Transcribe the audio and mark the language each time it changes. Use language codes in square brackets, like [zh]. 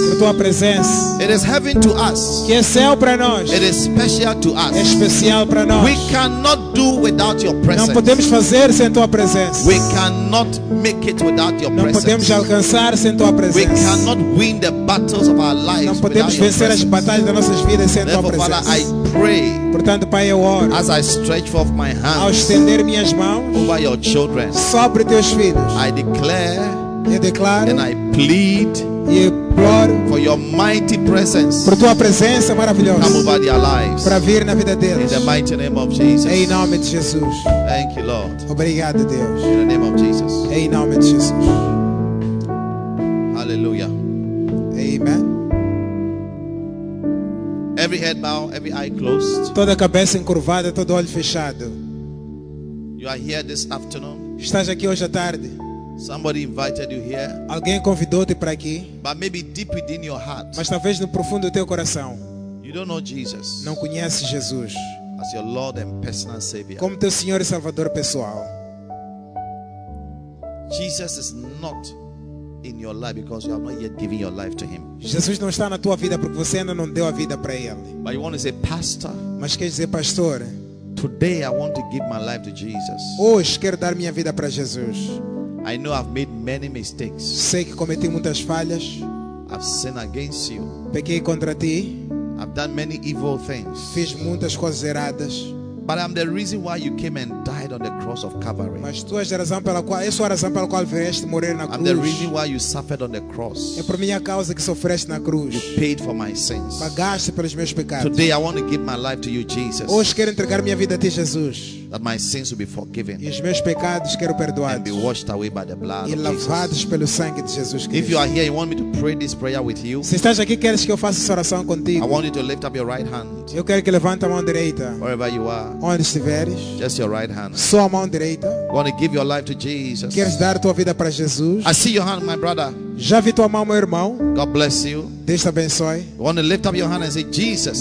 [pt] Por tua presença. [en] It is heaven to us. [pt] Que é céu para nós. [en] It is special to us. [pt] É especial para nós. [en] We cannot do without your presence. [pt] Não podemos fazer sem tua presença. [en] We cannot make it without your presence. [pt] Não podemos alcançar sem tua presença. [en] We cannot win the battles of our lives. [pt] Não podemos vencer as batalhas das nossas vidas sem tua presença. [en] Therefore, Father, I pray. [pt] Portanto, Pai, eu oro. [en] As I stretch forth my hands. [pt] Ao estender minhas mãos. [en] Over your children. [pt] Sobre teus filhos. [en] I declare. [pt] Eu declaro. [en] And I plead. [pt] E imploro [en] for your mighty presence, [pt] por tua presença maravilhosa, [en] come over their lives, [pt] para vir na vida deles. [en] In the mighty name of Jesus. [pt] Em nome de Jesus. [en] Thank you, Lord. [pt] Obrigado, Deus. [en] In the name of Jesus. [pt] Em nome de Jesus. [en] Hallelujah. Amen. Every head bowed, every eye closed. [pt] Toda cabeça encurvada, todo olho fechado. [en] You are here this afternoon. [pt] Estás aqui hoje à tarde. [en] Somebody invited you here. [pt] Alguém convidou-te para aqui. [en] But maybe deep within your heart. [pt] Mas talvez no profundo do teu coração. [en] You don't know Jesus. [pt] Não conhece Jesus. [en] As your Lord and personal Savior. [pt] Como teu Senhor e Salvador pessoal. [en] Jesus is not in your life because you have not yet given your life to Him. [pt] Jesus não está na tua vida porque você ainda não deu a vida para Ele. [en] But you want to say, Pastor? [pt] Mas quer dizer, Pastor? [en] Today I want to give my life to Jesus. [pt] Hoje quero dar minha vida para Jesus. [en] I know I've made many mistakes. [pt] Sei que cometi muitas falhas. [en] I've sinned against you. [pt] Pequei contra ti. [en] I've done many evil things. [pt] Fiz muitas coisas erradas. [en] But I'm the reason why you came and died on the cross of Calvary. [pt] Mas tu és a razão pela qual, eu sou a razão pela qual vieste morrer na cruz. [en] I'm the reason why you suffered on the cross. [pt] É por minha causa que sofreste na cruz. [en] You paid for my sins. [pt] Pagaste pelos meus pecados. [en] Today I want to give my life to you, Jesus. [pt] Hoje quero entregar minha vida a ti, Jesus. [en] That my sins will be forgiven. [pt] E os meus pecados quero perdoados. [en] And be washed away by the blood. [pt] E lavados pelo sangue de Jesus Cristo. [en] If you are here, you want me to pray this prayer with you. [pt] Se estás aqui, queres que eu faça essa oração contigo? [en] I want you to lift up your right hand. [pt] Eu quero que levantes a mão direita. [en] Wherever you are. [pt] Onde estiveres, [en] just your right hand. [pt] Só a mão direita. [en] Want to give your life to Jesus. [pt] Queres dar tua vida para Jesus? [en] I see your hand, my brother. [pt] Já vi tua mão, meu irmão. [en] God bless you. [pt] Deus te abençoe. [en] Want to lift up your hand and say, Jesus.